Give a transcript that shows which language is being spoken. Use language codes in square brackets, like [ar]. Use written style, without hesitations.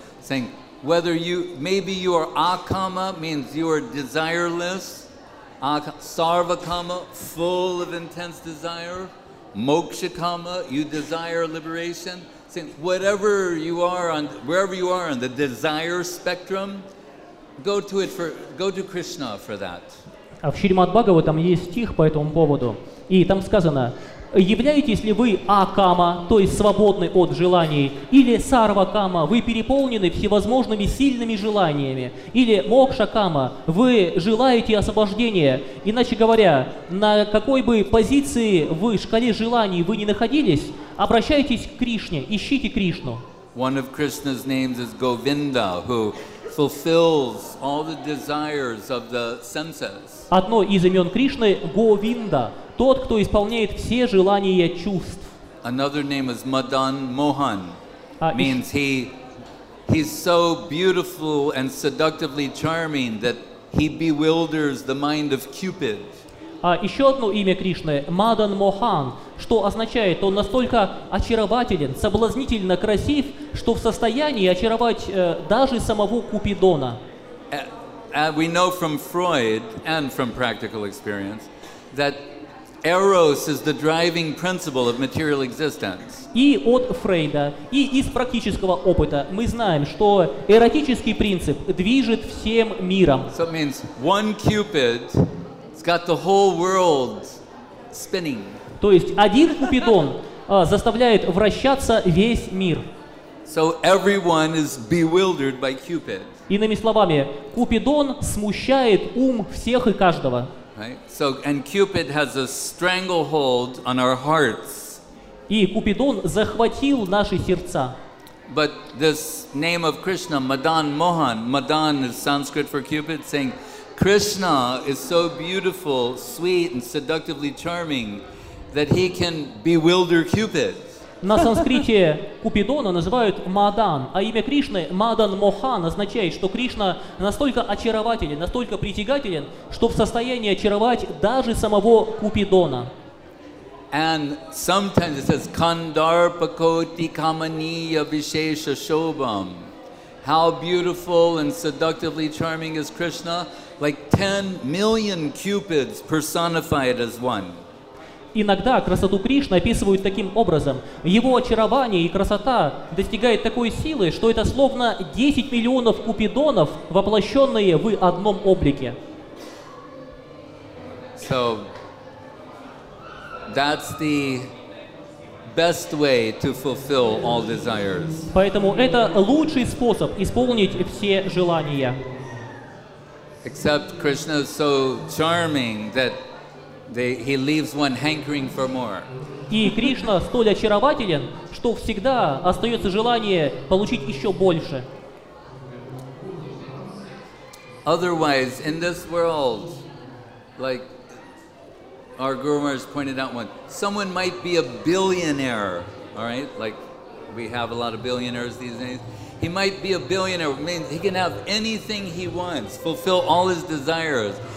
[en] Saying, whether you, maybe you are akama, means you are desireless. Sarvakama, full of intense desire. Mokshakama, you desire liberation. Since whatever you are on, wherever you are on the desire spectrum, go to Krishna for that. [ru] А в Шримад Бхагаватам есть стих по этому поводу, и там сказано: являетесь ли вы акама, то есть свободны от желаний, или сарвакама, вы переполнены всевозможными сильными желаниями, или мокшакама, вы желаете освобождения. Иначе говоря, на какой бы позиции вы, шкале желаний вы ни находились, обращайтесь к Кришне, ищите Кришну. [en] One of Krishna's names is Govinda, who fulfills all the desires of the senses. [ru] Одно из имен Кришны – Говинда, тот, кто исполняет все желания чувств. [en] Another name is Madan Mohan, means he's so beautiful and seductively charming that he bewilders the mind of Cupid. [ru] А еще одно имя Кришны – Мадан Мохан, что означает, он настолько очарователен, соблазнительно красив, что в состоянии очаровать даже самого Купидона. [en] We know from Freud and from practical experience that Eros is the driving principle of material existence. [ru] И от Фрейда, и из практического опыта мы знаем, что эротический принцип движет всем миром. [en] So it means one Cupid got the whole world spinning. [ru] То есть один Купидон заставляет вращаться весь мир. [en] So everyone is bewildered by Cupid. [ru] Иными словами, Купидон смущает ум всех и каждого. [en] Right? So and Cupid has a stranglehold on our hearts. [ru] И Купидон захватил наши сердца. [en] But this name of Krishna, Madan Mohan, Madan is Sanskrit for Cupid, saying Krishna is so beautiful, sweet, and seductively charming that he can bewilder Cupid. [ru] На санскрите Купидона называют Мадан, а имя Кришны Мадан Мохан означает, что Кришна настолько очарователен, настолько притягателен, что в состоянии очаровать даже самого Купидона. [en] And sometimes it says [sa] Kandarpakotikamaniya Vishesha Shobham. [en] How beautiful and seductively charming is Krishna? Like 10 million cupids personified as one. [ru] иногда красоту Кришны описывают таким образом. Его очарование и красота достигают такой силы, что это словно 10 миллионов купидонов, воплощенные в одном облике. [en] So, that's the best way to fulfill all desires. [ru] Поэтому это лучший способ исполнить все желания. [en] Except Krishna is so charming that he leaves one hankering for more. [ru] И Кришна столь очарователен, что всегда остается желание получить еще больше. [en] Otherwise, in this world, like our Guru Maharaj pointed out one, someone might be a billionaire, all right? Like we have a lot of billionaires these days. He might be a billionaire, means he can have anything he wants, fulfill all his desires.